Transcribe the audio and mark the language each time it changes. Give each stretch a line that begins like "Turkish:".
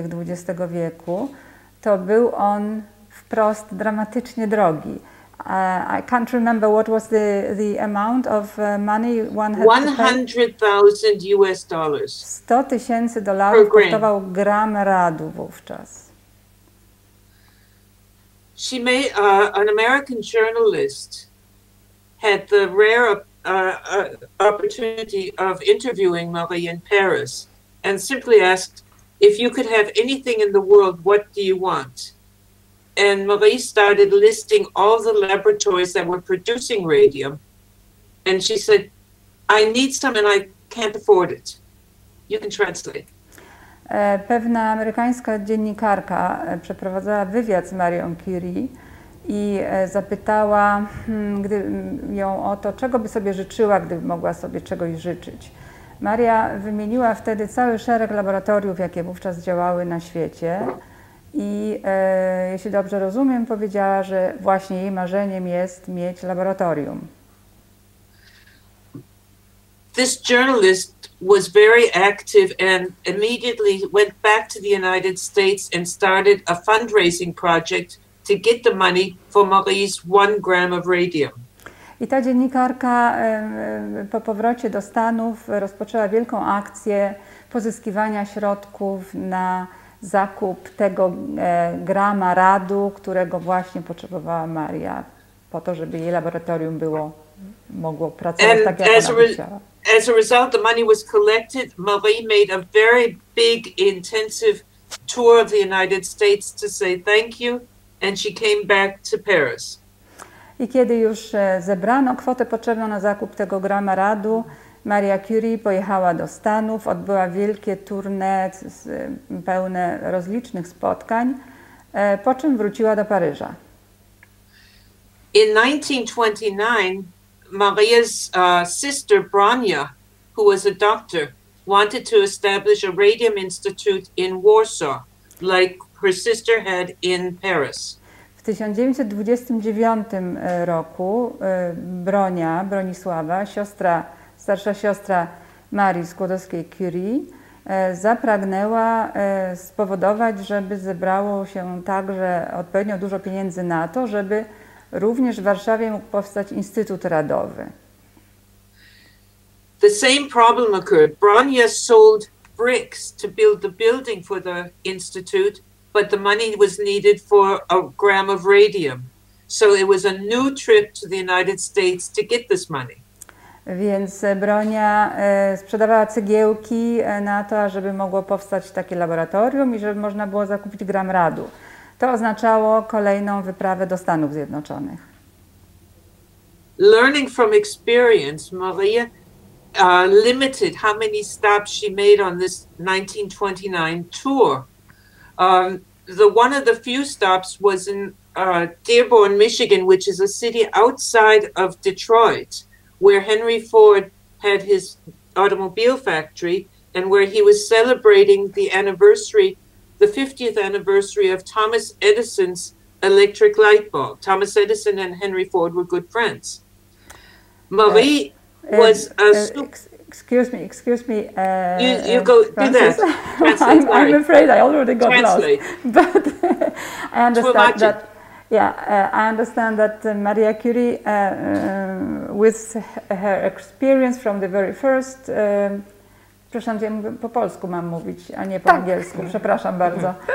Polish: XX wieku, to był on wprost dramatycznie drogi,
English: I can't remember what was the amount of money one had 100,000 US dollars.
Polish: 100 tysięcy dolarów kosztował gram radu wówczas.
English: She made an American journalist had the rare opportunity of interviewing Marie in Paris and simply asked, if you could have anything in the world, what do you want? And Marie started listing all the laboratories that were producing radium. And she said, I need some and I can't afford it. You can translate.
Polish: Pewna amerykańska dziennikarka przeprowadzała wywiad z Marią Curie i zapytała ją o to, czego by sobie życzyła, gdyby mogła sobie czegoś życzyć. Maria wymieniła wtedy cały szereg laboratoriów, jakie wówczas działały na świecie i jeśli dobrze rozumiem, powiedziała, że właśnie jej marzeniem jest mieć laboratorium.
English: This journalist was very active and immediately went back to the United States and started a fundraising project to get the money for Marie's 1 gram of radium.
Polish: I ta dziennikarka po powrocie do Stanów rozpoczęła wielką akcję pozyskiwania środków na zakup tego grama radu, którego właśnie potrzebowała Maria po to, żeby jej laboratorium było mogło pracować
English: and
Polish: tak, jak ona chciała.
English: As a result, the money was collected. Marie made a very big, intensive tour of the United States to say thank you, and she came back to Paris.
Polish: I kiedy już zebrano kwotę potrzebną na zakup tego grama radu, Maria Curie pojechała do Stanów, odbyła wielkie tournée pełne rozlicznych spotkań, po czym wróciła do Paryża.
English: In 1929, Maria's sister Bronia, who was a doctor, wanted to establish a radium institute in Warsaw, like her sister had in Paris.
Polish: W 1929 roku Bronia, Bronisława, siostra, starsza siostra Marii Skłodowskiej-Curie, zapragnęła spowodować, żeby zebrało się także odpowiednio dużo pieniędzy na to, żeby również w Warszawie mógł powstać Instytut Radowy.
English: The same problem occurred. Bronia sold bricks to build the building for the institute, but the money was needed for a gram of radium. So it was a new trip to the United States to get this money.
Polish: Więc Bronia sprzedawała cegiełki na to, żeby mogło powstać takie laboratorium i żeby można było zakupić gram radu. To oznaczało kolejną wyprawę do Stanów Zjednoczonych.
English: Learning from experience, Maria limited how many stops she made on this 1929 tour. One of the few stops was in Dearborn, Michigan, which is a city outside of Detroit, where Henry Ford had his automobile factory and where he was celebrating the anniversary the 50th anniversary of Thomas Edison's electric light bulb. Thomas Edison and Henry Ford were good friends. Marie was a... Excuse me. You go Francis. Do that. Translate, I'm afraid I already got translate. Lost. But I understand that. I understand that Maria Curie, with her experience from the very first...
Polish: Przepraszam, ja po polsku mam mówić, a nie po angielsku. Przepraszam bardzo.